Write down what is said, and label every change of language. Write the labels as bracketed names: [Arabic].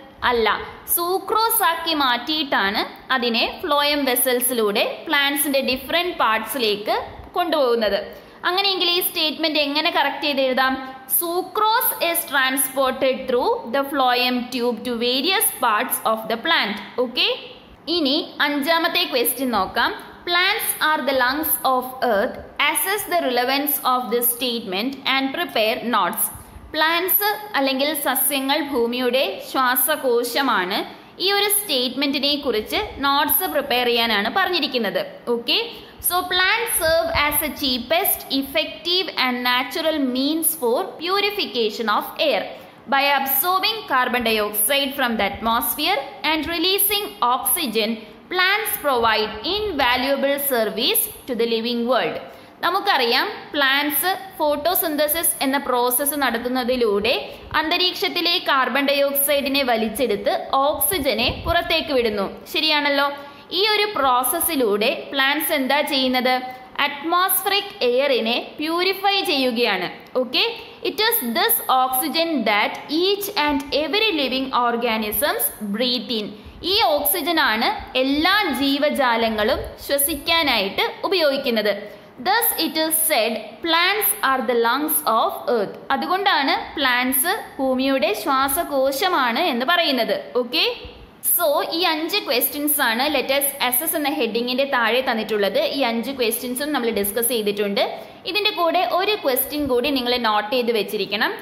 [Malayalam] അല്ല, സൂക്രോസാക്കി മാറ്റിയിട്ടാണ് അതിനെ phloem വെസൽസിലൂടെ പ്ലാന്റ്സിന്റെ different പാർട്സിലേക്ക് കൊണ്ടുപോകുന്നത്. അങ്ങനെയെങ്കിൽ ഈ സ്റ്റേറ്റ്മെന്റ് എങ്ങനെ കറക്റ്റ് ചെയ്ത് എഴുതാം? [English] Sucrose is transported through the phloem tube to various parts of the plant. [Malayalam] Okay, ഇനി അഞ്ചാമത്തെ ക്വസ്റ്റ്യൻ നോക്കാം. [English] Plants are the lungs of earth. Assess the relevance of this statement and prepare notes. [Malayalam] Plants അല്ലെങ്കിൽ സസ്യങ്ങൾ ഭൂമിയുടെ ശ്വാസകോശമാണ്. ഈ ഒരു സ്റ്റേറ്റ്മെന്റിനെ കുറിച്ച് notes prepare ചെയ്യാനാണ് പറഞ്ഞിരിക്കുന്നത്. [English] Okay, so plant serve as a cheapest, effective and natural means for purification of air by absorbing carbon dioxide from the atmosphere and releasing oxygen. Plants provide invaluable service to the living world. [Malayalam] നമുക്കറിയാം, plants photosynthesis എന്ന process നടത്തുന്നതിലൂടെ അന്തരീക്ഷത്തിലെ carbon dye ഓക്സൈഡിനെ വലിച്ചെടുത്ത് ഓക്സിജനെ പുറത്തേക്ക് വിടുന്നു. ശരിയാണല്ലോ. ഈ ഒരു പ്രോസസ്സിലൂടെ plants എന്താ ചെയ്യുന്നത്? അറ്റ്മോസ്ഫറിക് എയറിനെ പ്യൂരിഫൈ ചെയ്യുകയാണ്. [English] Okay, it is this oxygen that each and every living organisms breathe in. [Malayalam] ഈ ഓക്സിജനാണ് എല്ലാ ജീവജാലങ്ങളും ശ്വസിക്കാനായിട്ട് ഉപയോഗിക്കുന്നത്. [English] Thus it is said plants are the lungs of earth. [Malayalam] അതുകൊണ്ടാണ് പ്ലാന്റ്സ് ഭൂമിയുടെ ശ്വാസകോശമാണ് എന്ന് പറയുന്നത്. ഓക്കെ, സോ ഈ അഞ്ച് ക്വസ്റ്റ്യൻസ് ആണ് ലെറ്റസ് അസസ് എന്ന ഹെഡിങ്ങിന്റെ താഴെ തന്നിട്ടുള്ളത്. ഈ അഞ്ച് ക്വസ്റ്റ്യൻസും നമ്മൾ ഡിസ്കസ് ചെയ്തിട്ടുണ്ട്. ഇതിന്റെ കൂടെ ഒരു ക്വസ്റ്റ്യൻ കൂടി നിങ്ങൾ നോട്ട് ചെയ്ത് വെച്ചിരിക്കണം.